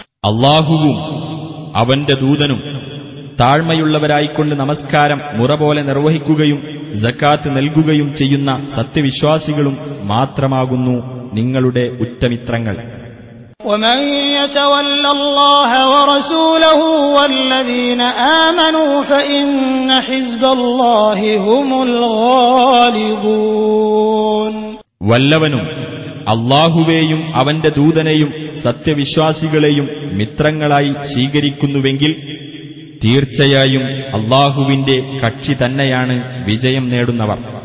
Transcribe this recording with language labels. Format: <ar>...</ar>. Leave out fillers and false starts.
<ml>അല്ലാഹുവും അവന്റെ ദൂതനും താഴ്മയുള്ളവരായിക്കൊണ്ട് നമസ്കാരം മുറ പോലെ നിർവഹിക്കുകയും സക്കാത്ത് നൽകുകയും ചെയ്യുന്ന സത്യവിശ്വാസികളും മാത്രമാകുന്നു നിങ്ങളുടെ ഉറ്റമിത്രങ്ങൾ.</ml> <ar>ومن يتول الله ورسوله والذين آمنوا فإن حزب الله هم الغالبون.</ar> <ml>വല്ലവനും അല്ലാഹുവേയും അവന്റെ ദൂതനെയും സത്യവിശ്വാസികളെയും മിത്രങ്ങളായി സ്വീകരിക്കുന്നുവെങ്കിൽ തീർച്ചയായും അല്ലാഹുവിന്റെ കക്ഷി തന്നെയാണ് വിജയം നേടുന്നവർ.</ml>